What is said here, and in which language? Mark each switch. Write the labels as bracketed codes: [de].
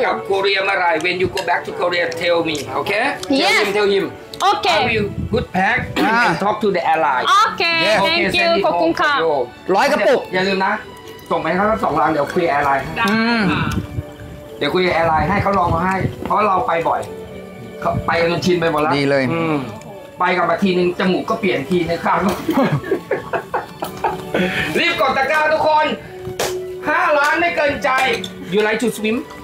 [th] กับเกาหลีเมื่อไร [en] when you go back to korea tell me okay yes tell him okay I will good pack and talk to the airline okay thank you [th] ขอบคุณค่ะ 100กระปุก อย่าลืมนะส่งไปให้เขา2รังเดี๋ยวคุย airline เดี๋ยวคุย airline ให้เขาลองมาให้เพราะเราไปบ่อยไปจนชินไปหมดแล้ว ดีเลย ไปกับมาทีนึงจมูกก็เปลี่ยนทีนะครับรีบกดตะกร้าทุกคน5ล้านไม่เกินใจ [en] You like to swim?